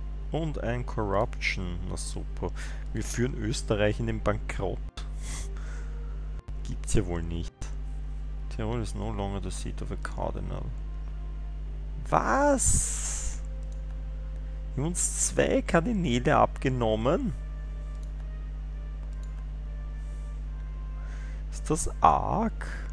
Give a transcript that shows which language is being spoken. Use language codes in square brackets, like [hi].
[de] Und ein Corruption. Na super. Wir führen Österreich in den Bankrott. Gibt's ja wohl nicht. [en] Tirol is no longer the seat of a cardinal. [de] Was? Wir haben uns zwei Kardinäle abgenommen? Das ist arg.